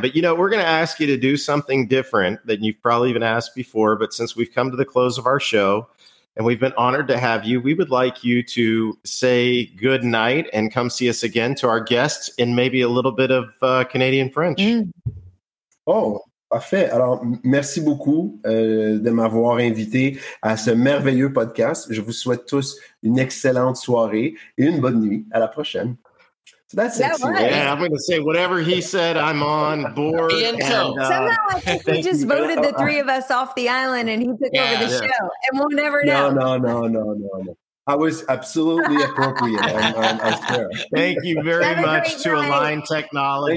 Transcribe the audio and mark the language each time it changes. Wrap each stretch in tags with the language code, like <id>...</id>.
<en>But, you know, we're going to ask you to do something different than you've probably been asked before. But since we've come to the close of our show and we've been honored to have you, we would like you to say good night and come see us again to our guests in maybe a little bit of Canadian French.</en> <fr>Mm. Oh, parfait. Alors, merci beaucoup de m'avoir invité à ce merveilleux podcast. Je vous souhaite tous une excellente soirée et une bonne nuit. À la prochaine.</fr> <en>So that's it. That yeah, I'm going to say whatever he said, I'm on board. Somehow I think he just voted the three of us off the island and he took over the show. And we'll never know. No. I was absolutely appropriate. I swear. Thank you very much to Align Technology.</en>